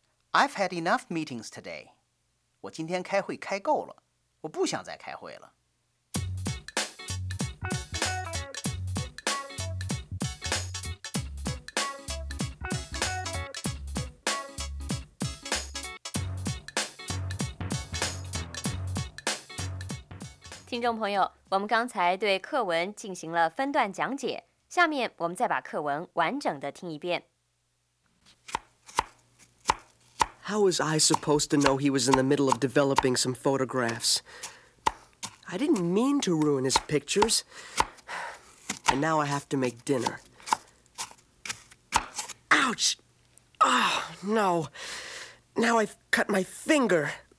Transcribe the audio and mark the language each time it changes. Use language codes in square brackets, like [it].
[en] I've had enough meetings today. [zh] 我今天开会开够了，我不想再开会了。听众朋友，我们刚才对课文进行了分段讲解，下面我们再把课文完整的听一遍。 [en] How was I supposed to know he was in the middle of developing some photographs? I didn't mean to ruin his pictures. And now I have to make dinner. Ouch! Oh, no! Now I've cut my finger!